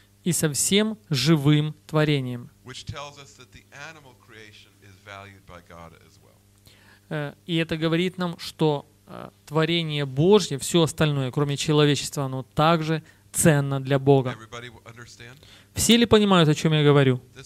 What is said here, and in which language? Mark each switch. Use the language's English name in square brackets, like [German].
[Russian] и со всем живым творением, [English] which tells us that the animal creation is valued by God as well. [Russian] И это говорит нам, что творение Божье, все остальное, кроме человечества, оно также ценно для Бога. Все ли понимают, о чем я говорю?